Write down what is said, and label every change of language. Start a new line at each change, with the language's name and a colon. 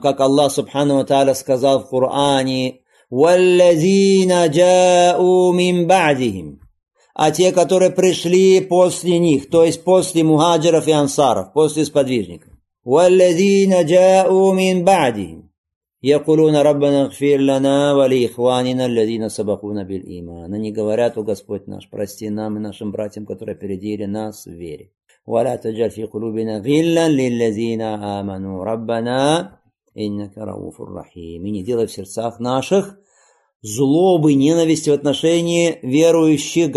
Russian: Как Аллах, субхану ва тааля, сказал в Коране:
Arabic: «Валлазина джау мин баадихим».
Russian: А те, которые пришли после них, то есть после мухаджиров и ансаров, после сподвижников.
Arabic: «Валлазина джау мин баадихим». يقولون ربنا اغفر لنا ولإخواننا الذين سبقونا بالإيمان.
Russian: Они говорят: о Господь наш, прости нам и нашим братьям, которые опередили нас в вере.
Arabic: ولا تجعل في قلوبنا غلا للذين آمنوا ربنا إنك رؤوف رحيم.
Russian: И не делай в сердцах наших злобы, ненависти в отношении верующих.